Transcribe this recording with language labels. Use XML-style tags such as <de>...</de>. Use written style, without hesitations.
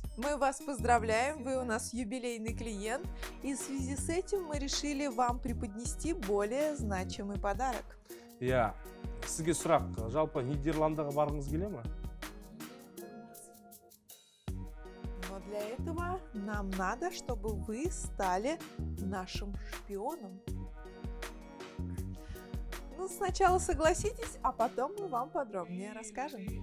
<ru>Мы вас поздравляем, вы у нас юбилейный клиент. И в связи с этим мы решили вам преподнести более значимый подарок.</ru> <kk>Я, сізге сұрақ, жалпы Нидерландыға барғыңыз келе ма?</kk> <ru>Но для этого нам надо, чтобы вы стали нашим шпионом. Сначала согласитесь, а потом мы вам подробнее расскажем.</ru>